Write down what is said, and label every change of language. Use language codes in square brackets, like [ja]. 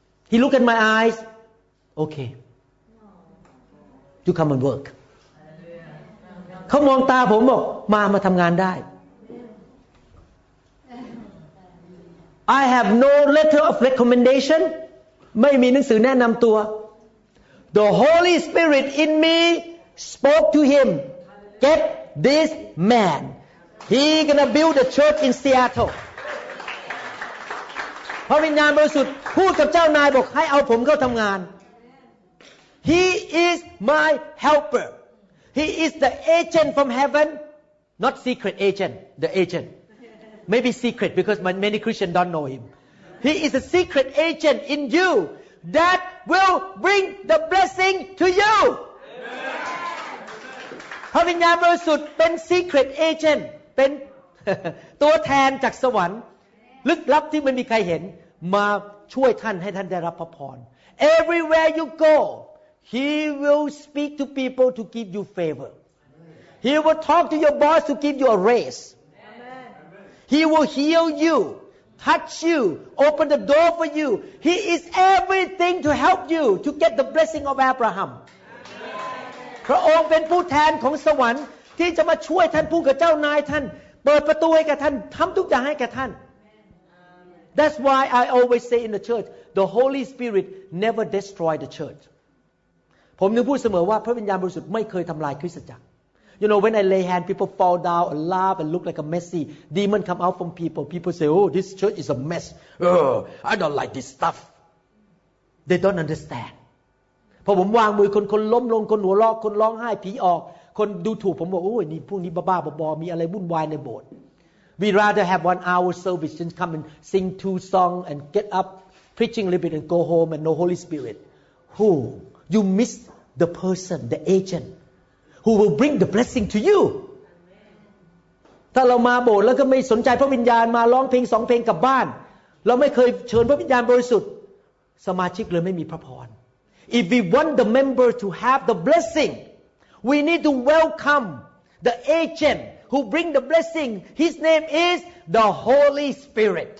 [en] He looked at my eyes. Okay. You come and work. [th] ขามองตาผมบอกมาทำงานได้ [en] I have no letter of recommendation [th] ไม่มีหนังสือแนะนำตัว [en] The Holy Spirit in me spoke to him get this man he gonna build a church in Seattle [th] พระวิญญาณบริสุทธิ์พูดกับเจ้านายบอกให้เอาผมเข้าทำงาน [en] He is my helper. He is the agent from heaven, not secret agent. The agent, maybe secret because many Christians don't know him. He is a secret agent in you that will bring the blessing to you. [th] พระวิญญาณบริสุทธิ์เป็น secret agent เป็นตัวแทนจากสวรรค์ลึกลับที่ไม่มีใครเห็นมาช่วยท่านให้ท่านได้รับพระพร [en] Everywhere you go he will speak to people to give you favor he will talk to your boss to give you a raise he will heal you touch you open the door for you he is everything to help you to get the blessing of Abraham [th] พระองค์เป็นผู้แทนของสวรรค์ที่จะมาช่วยท่านพูดกับเจ้านายท่านเปิดประตูให้กับท่านทำทุกอย่างให้กับท่าน [en] That's why I always say in the church, the Holy Spirit never destroy the church. [th] ผมนึกพูดเสมอว่าพระวิญญาณบริสุทธิ์ไม่เคยทำลายคริสตจักร [en] You know, when I lay hand, people fall down and laugh and look like a messy. Demon come out from people. People say, oh, this church is a mess. I don't like this stuff. They don't understand. [th] พอผมวางมือคนๆล้มลงคนหัวเราะคนร้องไห้ผีออกคนดูถูกผมบอกโอ้ยนี่พวกนี้บ้าๆบอๆมีอะไรวุ่นวายในโบสถ์ [en] We rather have 1 hour service than come and sing 2 songs and get up, preaching a little bit and go home and no Holy Spirit. Who? You miss the person, the agent, who will bring the blessing to you. [th] ถ้าเรามาโบสถ์แล้วก็ไม่สนใจพระวิญญาณมาร้องเพลง2 เพลงกลับบ้านเราไม่เคยเชิญพระวิญญาณบริสุทธิ์สมาชิกเลยไม่มีพระพร [en] If we want the member to have the blessing, we need to welcome the agent. Who bring the blessing? His name is the Holy Spirit.